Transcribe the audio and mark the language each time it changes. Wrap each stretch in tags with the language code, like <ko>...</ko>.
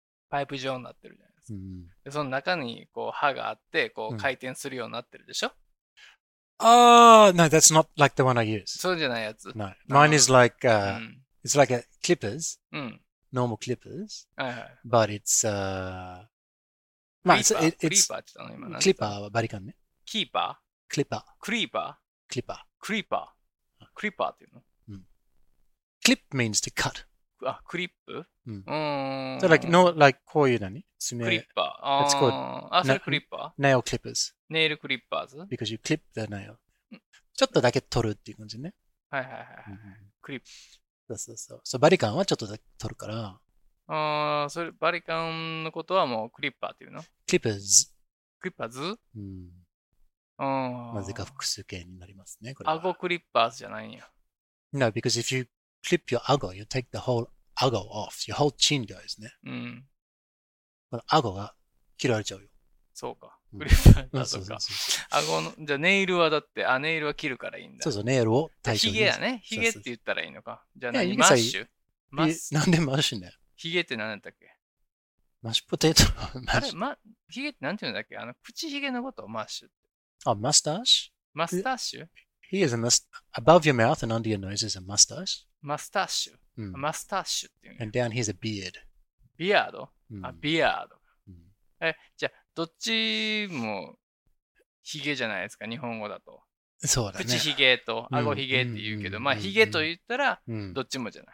<ja>パイプ状になってるじゃないですか。うん、でその中にこう歯があって、こう回転するようになってるでしょ。</ja> <en>うん、no, that's not like the one I use.</en> <ja>そうじゃないやつ。</ja> <en>No. Mine is like, it's like a clippers.、</en> <ja>うん、</ja> <en>normal clippers.</en> <ja>はいはい。</ja> <en>But it's,</en> <ja>まあ、クリーパーって言ったの今何て。クリーパーはバリカンね。キーパー？クリーパー。クリーパー？クリーパー。クリーパー。クリーパーっていうの？</ja> <en>クリップ means to cut.</en> <ja>あ、クリップ？うん。うん、</ja> <en>so like no like</en> <ja>こういう何？爪。クリッパー。あー、</ja> <en>It's called</en> <ja>あ、それクリッパー？</ja> <en>Nail clippers.</en> <ja>ネイルクリッパーズ？</ja> <en>Because you clip the nail.</en> <ja>ちょっとだけ取るっていう感じね。はいはいはい、うん、クリップ。そうそうそう。So, バリカンはちょっとだけ取るから。あー、それバリカンのことはもうクリッパーっていうの？クリッパーズ。クリッパーズ？うん。ああ。なぜか複数形になりますね。これ。顎クリッパーズじゃないんや。</ja> <en>No, because if youclip your ago, you take the whole ago off. Your whole chin goes, ね。</en> <ja>うん。この ago が切られちゃうよ。そうか。クリッパーズか。あごの、じゃあネイルはだって、あ、ネイルは切るからいいんだ。そうそう、ネイルを対象に。ヒゲやね。ヒゲって言ったらいいのか。じゃあ何、マッシュ？マッシュ？なんでマッシュね。ヒゲって何だったっけ？マッシュポテト？マッシュ？あれ、ヒゲって何て言うんだっけ？あの、口ヒゲのことをマッシュって。あ、マスターシュ？マスターシュ？</ja> <en>He is a mustache. Above your mouth and under your nose is a mustache. Mustache.、うん、mustache. っていう、ね、and down here's a beard. Beard?、</en> <ja>うん、あ、beard.、うん、え、じゃあ、どっちもヒゲじゃないですか、日本語だと。そうだね。口ヒゲと顎ヒゲって言うけど、うん、まあ、ヒゲと言ったら、どっちもじゃない、</ja>